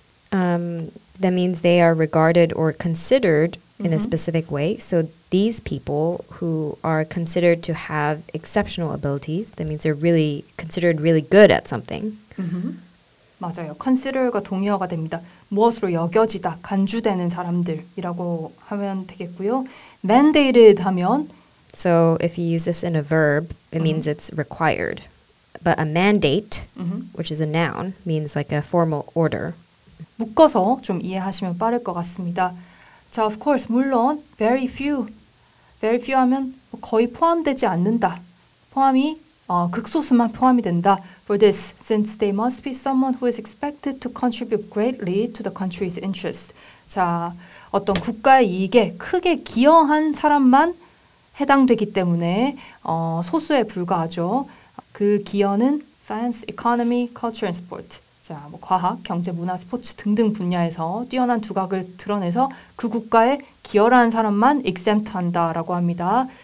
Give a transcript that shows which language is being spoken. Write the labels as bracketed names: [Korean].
[English] That means they are regarded or considered in a specific way. So these people who are considered to have exceptional abilities, that means they're really considered really good at something. [Korean] 맞아요. Consider가 동의어가 됩니다. 무엇으로 여겨지다, 간주되는 사람들이라고 하면 되겠고요. Mandated 하면 [English] So if you use this in a verb, it means it's required. But a mandate, which is a noun, means like a formal order. [Korean] 묶어서 좀 이해하시면 빠를 것 같습니다. 자, [English] of course, [Korean] 물론 [English] very few. Very few [Korean] 하면 거의 포함되지 않는다. 포함이 극소수만 포함이 된다. [English] For this, since they must be someone who is expected to contribute greatly to the country's interest. [Korean] 자, 어떤 국가의 이익에 크게 기여한 사람만 해당되기 때문에 소수에 불과하죠. 그 기여는 [English] science, economy, culture and sport. [Korean] 자, 뭐 과학, 경제, 문화, 스포츠 등등 분야에서 뛰어난 두각을 드러내서 그 국가에 기여라는 사람만 exempt한다라고 합니다.